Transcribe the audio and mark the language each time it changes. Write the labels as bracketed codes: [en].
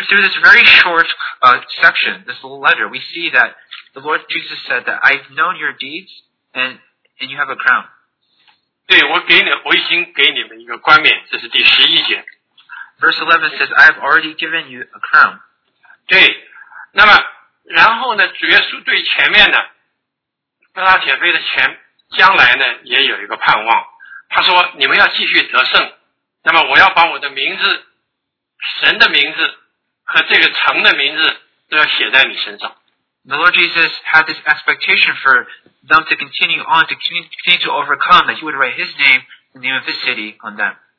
[en] through this very short section, this little letter, we see that the Lord Jesus said that I've known your deeds, and you have a crown. [zh] 对，我已经给你们一个冠冕，这是第十一节。 [en] Verse 11 says, I have already given you a crown. [zh] 对，那么，然后呢，主耶稣对前面的菲拉铁菲的前将来呢，也有一个盼望。他说，你们要继续得胜，那么我要把我的名字、神的名字和这个城的名字都要写在你身上。The [en] Lord Jesus had this expectation for them to continue to overcome, that he would write his name, the name of his city, on them.